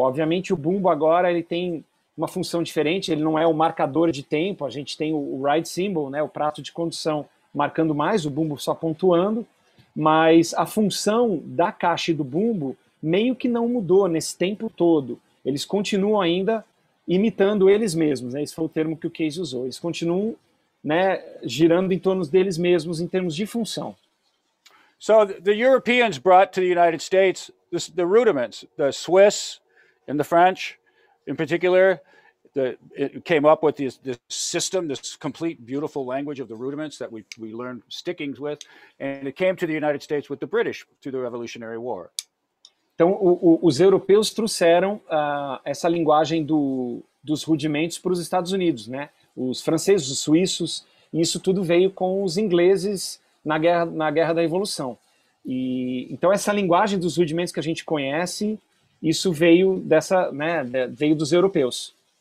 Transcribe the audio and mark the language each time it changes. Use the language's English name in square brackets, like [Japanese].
[Portuguese] Obviamente, o bumbo agora ele tem uma função diferente, ele não é o marcador de tempo, a gente tem o ride cymbal, né? O prato de condução marcando mais, o bumbo só pontuando, mas a função da caixa e do bumbo meio que não mudou nesse tempo todo. Eles continuam ainda imitando eles mesmos, né? Esse foi o termo que o Casey usou. Eles continuam, né, girando em torno deles mesmos em termos de função. [English] So the Europeans brought to the United States the rudiments, the Swiss and the French in particular, it came up with this system, this complete beautiful language of the rudiments that we learned stickings with, and it came to the United States with the British through the Revolutionary War. [Portuguese] Então, os europeus trouxeram essa linguagem dos rudimentos para os Estados Unidos, né? Os franceses, os suíços, e isso tudo veio com os ingleses na guerra da evolução. E então essa linguagem dos rudimentos que a gente conhece, isso veio dessa, né, veio dos europeus.